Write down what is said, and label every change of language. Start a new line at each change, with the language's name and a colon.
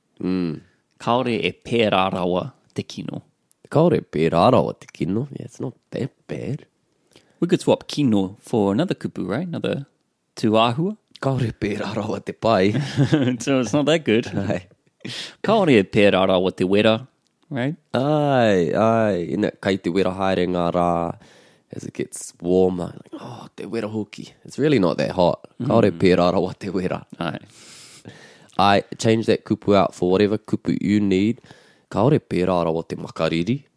Māori: Kaore e pērā rawa te kino. Kaore e pērā rawa te kino.
English: Yeah, it's not that bad. We could swap kino for another kupu, right? Another tuāhua.
Māori: Kaore e pērā rawa te pai.
English: So it's not that good.
Māori: Kaore e pērā rā o te wera,
English: right?
Māori: Ai, ai, ina, kai te wera haere ngā rā,
English: as it gets warmer, like, oh,
Māori: te wera hoki.
English: It's really not that hot.
Māori: Kaore e pērā rā o te wera. Ai.
English: Ai, change that kupu out for whatever kupu you need.
Māori: Kaore e pērā rā o te makariri.